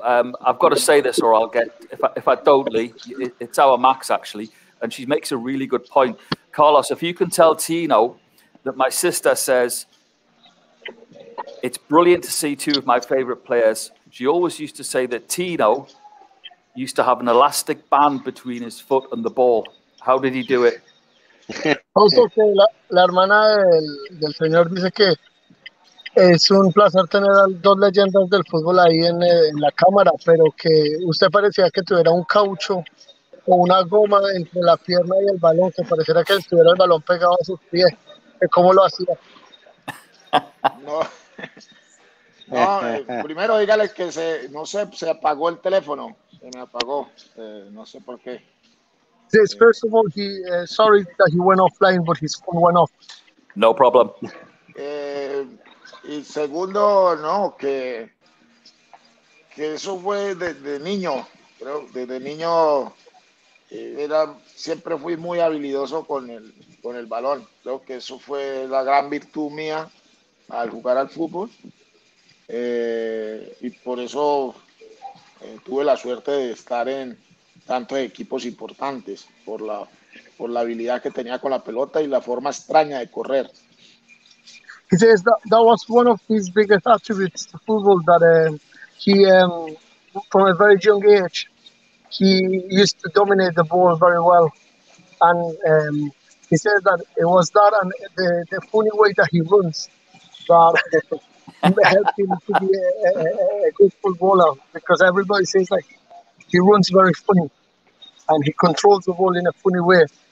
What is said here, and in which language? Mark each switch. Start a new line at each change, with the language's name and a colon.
English: I've got to say this, or I'll get, if I don't, Lee, it's our Max, actually, and she makes a really good point. Carlos, if you can tell Tino that my sister says, it's brilliant to see two of my favourite players. She always used to say that Tino used to have an elastic band between his foot and the ball. How did he do it?
Spanish: Also, la hermana del señor dice que es un placer tener a dos leyendas del fútbol ahí en la cámara, pero que usted parecía que tuviera un caucho o una goma entre la pierna y el balón, que pareciera que estuviera el balón pegado a sus pies. ¿Cómo lo hacía? No, primero dígale que se apagó el teléfono. Se me apagó. No sé por qué.
English: Yes, first of all, sorry that he went offline, but his phone went off. No problem.
Spanish: Y segundo, no, que eso fue de niño, creo, desde niño siempre fui muy habilidoso con el balón. Creo que eso fue la gran virtud mía al jugar al fútbol. Y por eso tuve la suerte de estar en tantos equipos importantes, por la habilidad que tenía con la pelota y la forma extraña de correr.
English: He says that was one of his biggest attributes to football, that he from a very young age, he used to dominate the ball very well. And he says that it was that and the funny way that he runs that helped him to be a good footballer, because everybody says like he runs very funny and he controls the ball in a funny way.